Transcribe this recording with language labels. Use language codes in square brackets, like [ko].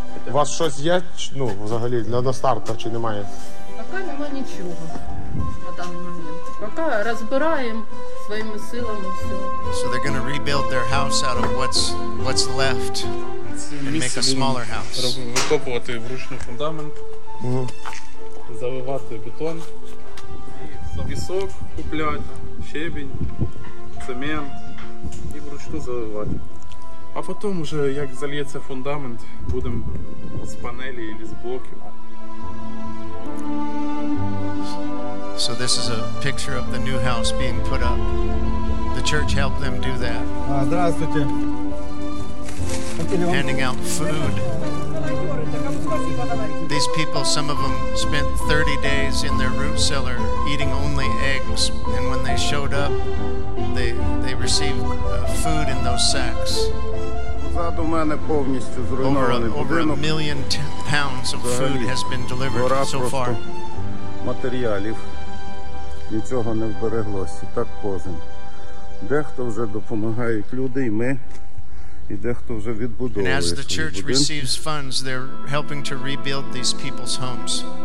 [uk] У вас щось є, ну, взагалі, для старту чи немає? Поки немає нічого на даний момент. Поки розбираємо своїми силами все. [en] So they're going to rebuild their house out of what's left and make a smaller house. [uk] Викопувати вручну фундамент. Завивати бетон. Пісок купляти, щебінь, цемент і вручну завивати. А потім уже як зальється фундамент, будемо з панелі або з блоків. [en] So this is a picture of the new house being put up. The church helped them do that. [uk] Здравствуйте. [en] Handing out food. These people, some of them spent 30 days in their root cellar eating only eggs, and when they showed up, they received food in those sacks. Over a million pounds of food has been delivered so far. [uk] Матеріалів нічого не вбереглося, так кожен. Дехто вже допомагають люди, і ми. [en] And as the church receives funds, they're helping to rebuild these people's homes.